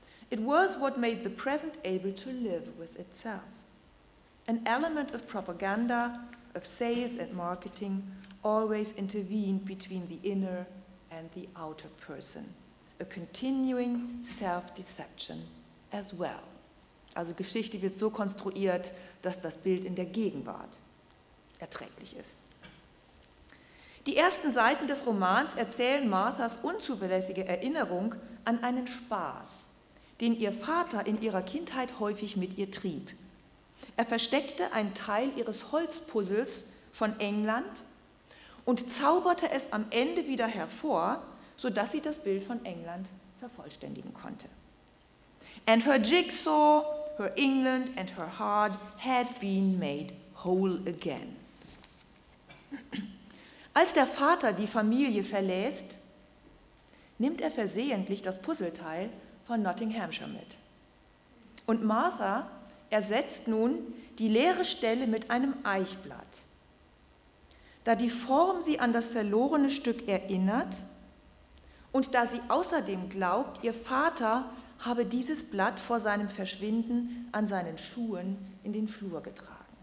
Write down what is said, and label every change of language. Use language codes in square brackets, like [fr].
[en] It was what made the present able to live with itself. An element of propaganda, of sales and marketing, always intervened between the inner and the outer person. A continuing self-deception as well." [de] Also Geschichte wird so konstruiert, dass das Bild in der Gegenwart erträglich ist. Die ersten Seiten des Romans erzählen Marthas unzuverlässige Erinnerung an einen Spaß, den ihr Vater in ihrer Kindheit häufig mit ihr trieb. Er versteckte einen Teil ihres Holzpuzzles von England und zauberte es am Ende wieder hervor, sodass sie das Bild von England vervollständigen konnte. [en] "And her jigsaw, her England and her heart had been made whole again." [de] Als der Vater die Familie verlässt, nimmt er versehentlich das Puzzleteil von Nottinghamshire mit. Und Martha ersetzt nun die leere Stelle mit einem Eichblatt. Da die Form sie an das verlorene Stück erinnert und da sie außerdem glaubt, ihr Vater habe dieses Blatt vor seinem Verschwinden an seinen Schuhen in den Flur getragen.